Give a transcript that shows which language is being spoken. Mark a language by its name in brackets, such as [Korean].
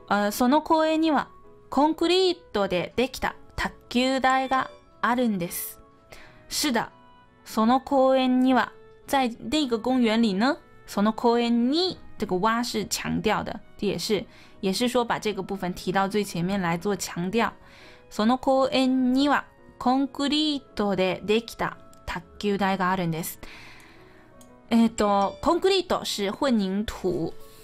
[Japanese] その公園にはコンクリートでできた卓球台があるんです。 [Chinese] 是的， [Japanese] その公園には， [Chinese] 在那个公园里呢。 [Japanese] その公園に， [Chinese] 这个哇是强调的，也是说把这个部分提到最前面来做强调。 [Japanese] その公園にはコンクリートでできた卓球台があるんです。 [Chinese] concrete 是混凝土，